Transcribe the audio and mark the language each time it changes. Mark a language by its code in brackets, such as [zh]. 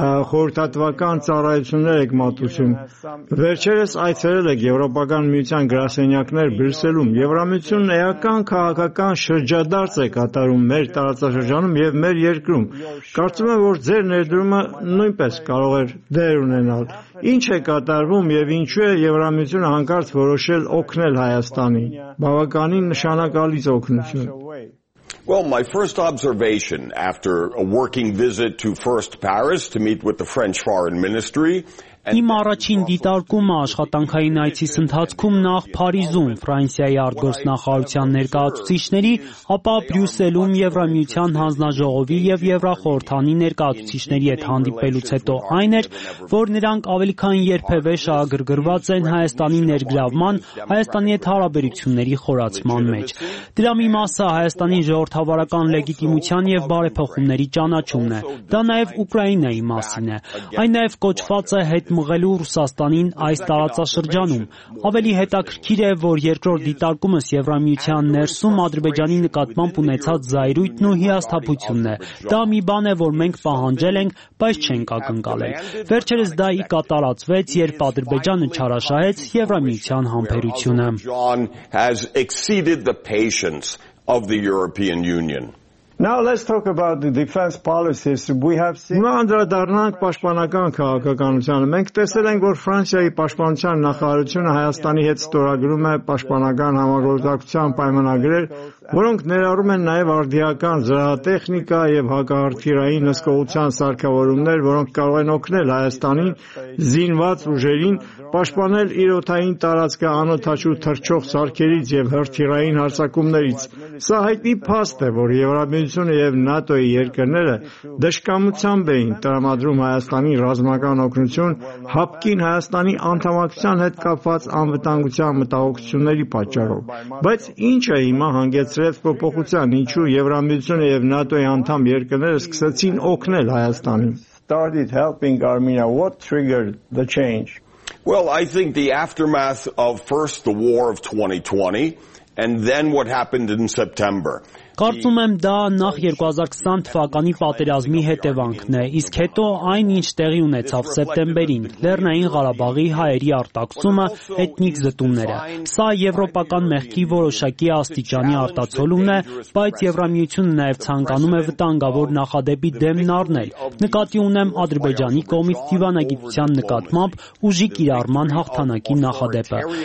[hy] խորհրդատվական ծառայություններ եք մատուցում։ Վերջերս այցելել եք Եվրոպական միության գրասենյակներ Բրյուսելում։ Եվրամիությունն էական քաղաքական շրջադարձ է կատարում մեր տարածաշրջանում և մեր երկրում։ Կարծում եմ, որ ձեր ներդրումը նույնպես կարող էր դեր ունենալ։ Ինչ է կատարվում և ինչու է Եվրամիությունը հանկարծ որոշել օգնել Հայաստանին, բավականին նշանակալից օգնություն։ [en] Well, my first observation after a working visit to first Paris to meet with the French Foreign Ministry. [hy] Իմ առաջին դիտարկումը աշխատանքային այցիս ընթացքում նախ Փարիզում Ֆրանսիայի արտգործնախարարության ներկայացուցիչների, ապա Բրյուսելում Եվրամիության հանձնաժողովի և Եվրախորհրդանի ներկայացուցիչների հետ հանդիպելուց հետո այն էր, որ նրանք ավելի քան երբևէ շահագրգռված են Հայաստանի ներգրավման, Հայաստանի հետ հարաբերությունների խորացման մեջ։ Դրա մի մասը Հայաստանի ժողովրդավարական լեգիտիմության և բարեփոխումների ճանաչումն է, դա նաև Ուկրաինայի մասին է։ Այն նաև կոչված է հետ մղելու Ռուսաստանին այս տարածաշրջանում։ Ավելի հետաքրքիր է, որ երկրորդ դիտարկումս Եվրամիության ներսում Ադրբեջանի նկատմամբ ունեցած զայրույթն ու հիասթափությունն է։ Դա մի բան է, որ մենք պահանջել ենք, բայց չենք ակնկալել։ Վերջերս դա ի կատարածվեց, երբ Ադրբեջանը չարաշահեց Եվրամիության համբերությունը։ [en] Now let's talk about the defense policies we have seen. [hy] Նա անդրադառնանք պաշտպանական քաղաքականությանը։ Մենք տեսել ենք, որ Ֆրանսիայի պաշտպանության նախարարությունը Հայաստանի հետ ստորագրում է պաշտպանական համագործակցության պայմանագրեր, որոնք ներառում են նաև արդիական զրահատեխնիկա և հակաարտիլերային հսկողության սարքավորումներ, որոնք կարող են օգնել Հայաստանին զինված ուժերին պաշտպանել իրոթային տարածքը անօթաչու թռչող սարքերից և հրթիռային հարձակումներից։ Սա հայտնի փաստ է, որ Եվրամիությունը և ՆԱՏՕ-ի երկրները դժկամությամբ էին տրամադրում Հայաստանի ռազմական օգնություն հապկին Հայաստանի անդամակցության հետ կապված անվտանգության մտահոգությունների պատճառով։ Բայց ինչ է հիմա հանգեցրել փոփոխության, ինչու Եվրամիությունը և ՆԱՏՕ-ի անդամ երկրները սկսեցին օգնել Հայաստանին։ [en] Started helping Armenia. What triggered the change? Well, I think the aftermath of first the war of 2020 and then what happened in September. [hy] Կարծում եմ դա նախ 2020 թվականի պատերազմի հետևանքն է, իսկ հետո այն, ինչ տեղի ունեցավ սեպտեմբերին, Լեռնային Ղարաբաղի հայերի արտաքսումը, էթնիկ զտումները։ Սա եվրոպական մեղքի որոշակի աստիճանի արտացոլումն է, բայց Եվրամիությունը նաև ցանկանում է վտանգավոր նախադեպի դեմ նառնել։ Նկատի ունեմ Ադրբեջանի կողմից դիվանագիտության նկատմամբ ուժի կիրառման հաղթանակի նախադեպը։